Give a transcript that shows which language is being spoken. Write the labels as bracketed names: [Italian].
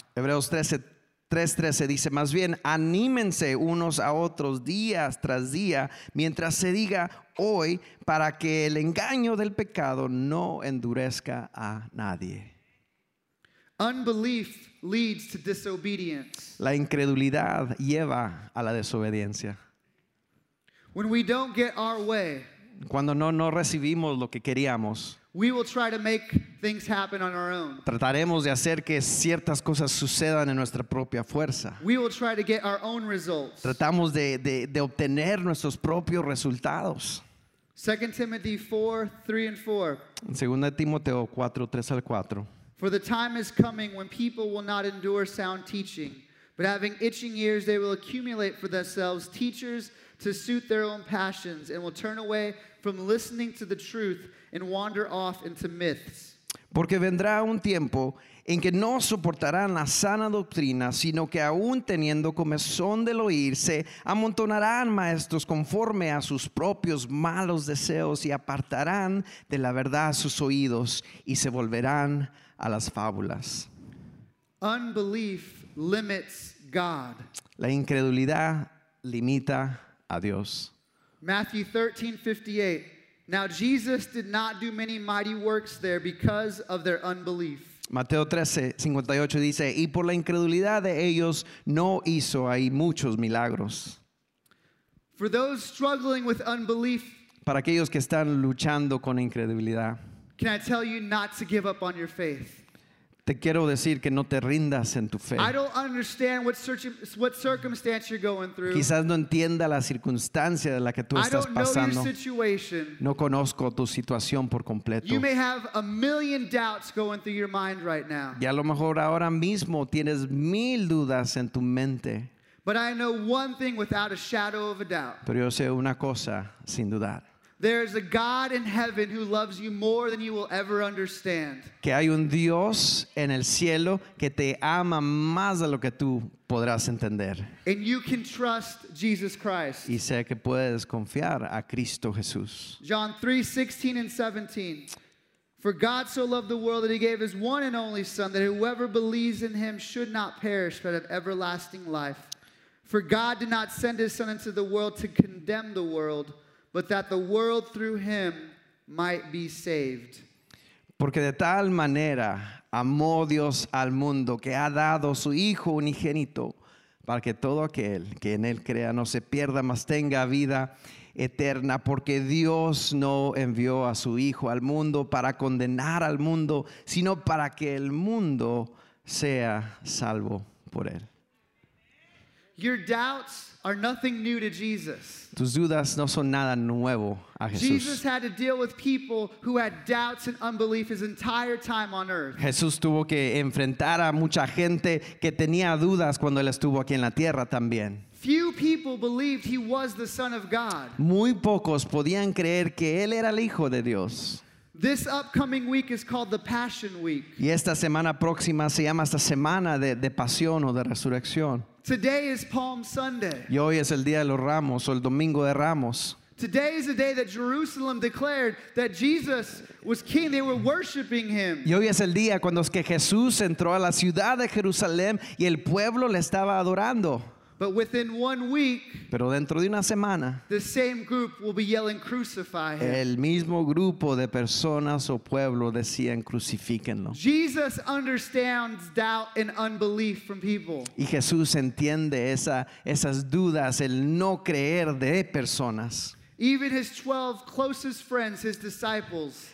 [Spanish] Hebreos 3:13 dice, más bien, anímense unos a otros día tras día mientras se diga hoy para que el engaño del pecado no endurezca a nadie. [English] Unbelief leads to disobedience. [Spanish] La incredulidad lleva a la desobediencia. [English] When we don't get our way, [Spanish] cuando no recibimos lo que queríamos, [English] we will try to make things happen on our own. [Spanish] Trataremos de hacer que ciertas cosas sucedan en nuestra propia fuerza. [English] We will try to get our own results. [Spanish] Tratamos de obtener nuestros propios resultados. [English] 2 Timothy 4:3 and 4. [Spanish] En 2 Timoteo 4, 3 al 4. [English] For the time is coming when people will not endure sound teaching, but having itching ears, they will accumulate for themselves teachers to suit their own passions and will turn away from listening to the truth and wander off into myths. [Spanish] Porque vendrá un tiempo en que no soportarán la sana doctrina, sino que aún teniendo comezón del oírse, amontonarán maestros conforme a sus propios malos deseos y apartarán de la verdad sus oídos y se volverán a las fábulas. [English] Unbelief limits God. [Spanish] La incredulidad limita a Dios. [English] Matthew 13:58. Now Jesus did not do many mighty works there because of their unbelief. [Spanish] Mateo 13:58 dice, y por la incredulidad de ellos no hizo ahí muchos milagros. [English] For those struggling with unbelief, [Spanish] para aquellos que están luchando con incredulidad, [English] can I tell you not to give up on your faith? [Spanish] Te quiero decir que no te rindas en tu fe. [English] I don't understand what circumstance you're going through. [Spanish] Quizás no entienda la circunstancia de la que tú estás pasando. [English] I don't know your situation. [Spanish] No conozco tu situación por completo. [English] You may have a million doubts going through your mind right now. [Spanish] Y a lo mejor ahora mismo tienes mil dudas en tu mente. [English] But I know one thing without a shadow of a doubt. [Spanish] Pero yo sé una cosa sin dudar. [English] There is a God in heaven who loves you more than you will ever understand. [Spanish] Que hay un Dios en el cielo que te ama más de lo que tú podrás entender. [English] And you can trust Jesus Christ. [Spanish] Y sé que puedes confiar a Cristo Jesús. [English] John 3:16-17. For God so loved the world that he gave his one and only son that whoever believes in him should not perish but have everlasting life. For God did not send his son into the world to condemn the world, but that the world through him might be saved. [Spanish] Porque de tal manera amó Dios al mundo que ha dado su Hijo unigénito para que todo aquel que en él crea no se pierda, mas tenga vida eterna. Porque Dios no envió a su Hijo al mundo para condenar al mundo, sino para que el mundo sea salvo por él. [English] Your doubts are nothing new to Jesus. [Spanish] Tus dudas no son nada nuevo a Jesús. [English] Jesus had to deal with people who had doubts and unbelief his entire time on earth. [Spanish] Jesús tuvo que enfrentar a mucha gente que tenía dudas cuando él estuvo aquí en la tierra también. [English] Few people believed he was the Son of God. [Spanish] Muy pocos podían creer que él era el Hijo de Dios. [English] This upcoming week is called the Passion Week. [Spanish] Y esta semana próxima se llama esta semana de pasión o de resurrección. [English] Today is Palm Sunday. [Spanish] Y hoy es el día de los Ramos o el Domingo de Ramos. [English] Today is the day that Jerusalem declared that Jesus was king. They were worshiping him. [Spanish] Y hoy es el día cuando es que Jesús entró a la ciudad de Jerusalén y el pueblo le estaba adorando. [English] But within 1 week, [Spanish] pero dentro de una semana, [English] the same group will be yelling, "Crucify him." [Spanish] El mismo grupo de personas o pueblo decían, crucifíquenlo. [English] Jesus understands doubt and unbelief from people. [Spanish] Y Jesús entiende esas dudas, el no creer de personas. [English] Even his 12 closest friends, his disciples,